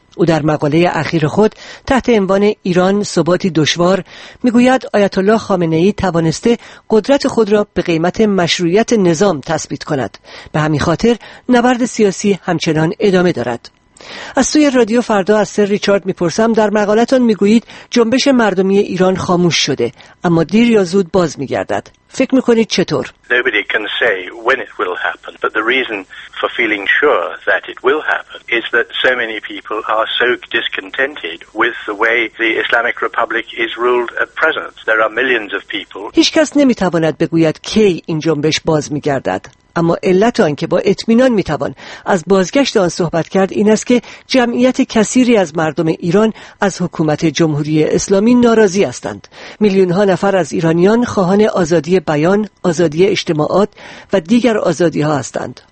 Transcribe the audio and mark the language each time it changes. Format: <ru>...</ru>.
<fa>او در مقاله اخیر خود تحت عنوان ایران ثباتی دشوار میگوید آیت الله خامنه ای توانسته قدرت خود را به قیمت مشروعیت نظام تثبیت کند. به همین خاطر نبرد سیاسی همچنان ادامه دارد. از سوی رادیو فردا از سر ریچارد میپرسم، در مقالتان میگویید جنبش مردمی ایران خاموش شده اما دیر یا زود باز میگردد. فکر میکنید چطور؟</fa> <en>Nobody can say when it will happen, but the reason for feeling sure that it will happen is that so many people are so discontented with the way the Islamic Republic is ruled at present. There are millions of people.</en> <fa>هیچ کس نمیتواند بگوید کی این جنبش باز میگردد، اما علت آن که با اطمینان میتوان از بازگشت آن صحبت کرد این است که جمعیت کثیری از مردم ایران از حکومت جمهوری اسلامی ناراضی هستند. میلیون ها نفر از ایرانیان خواهان آزادی بیان، آزادی اجتماعات و دیگر آزادی ها هستند.</fa>